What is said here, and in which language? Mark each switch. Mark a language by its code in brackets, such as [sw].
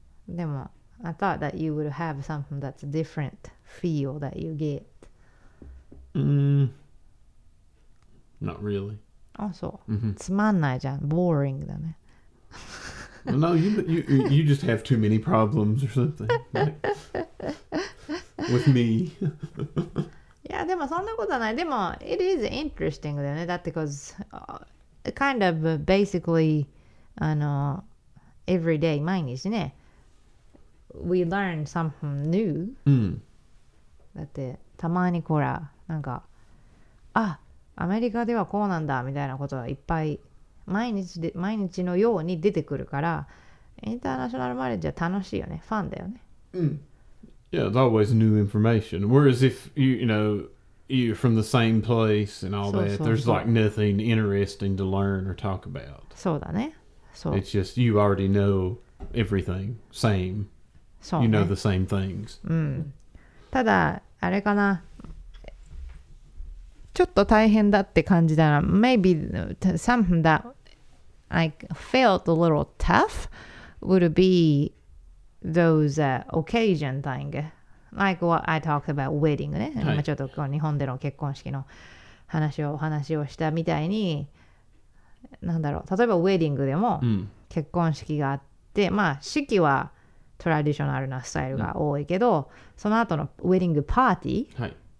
[ja] でも、 [en] I thought that you would have something that's a different feel that you get. Not really. [ja] Ah, so. つまんないじゃん。Boring だね。 [en] No, you just have too many problems or something. With me. [ja] いやでもそんなことはない。 [en] でも it is interesting [ja] だよね。だって [en] cause、kind of basically あの every day [ja] 毎日ね [en] we learn something new、 [ja] うん、だってたまにこらなんかあアメリカではこうなんだみたいなことがいっぱい毎日のように出てくるからインターナショナルマレージは楽しいよね。ファンだよね。 [en] うん。Yeah, it's always new information. Whereas if you know, you're from the same place and all that, there's like nothing interesting to learn or talk about. [ja] そうだね。そう。 [en] It's just you already know everything, same. [ja] そうね。 [en] You know the same things. [ja] うん。ただ、あれかな。ちょっと大変だって感じだな。 [en] Maybe something that I felt a little tough would beThose、occasion thing, like what I talked about wedding, ね、 [ja] はい、今ちょっとこう日本での結婚式の話をお話をしたみたいに、なんだろう、例えばウェディングでも結婚式があって、うん、まあ式はトラディショナルなスタイルが多いけど、うん、その後のウェディングパーティー、はい、